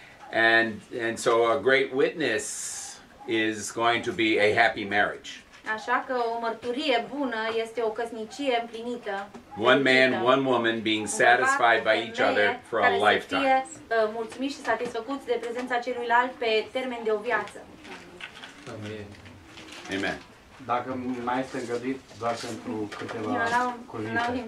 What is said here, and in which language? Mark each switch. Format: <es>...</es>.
<en>And so a great witness is going to be a happy marriage.</en> <ro>Așa că o mărturie bună este o căsnicie împlinită.</ro> <en>One man, one woman being satisfied by each other for a lifetime.</en> <ro>Care să fie mulțumiți și satisfăcuți de prezența celuilalt pe termen de o viață. Amen. Dacă mai este îngăduit, doar pentru câteva cuvinte.</ro>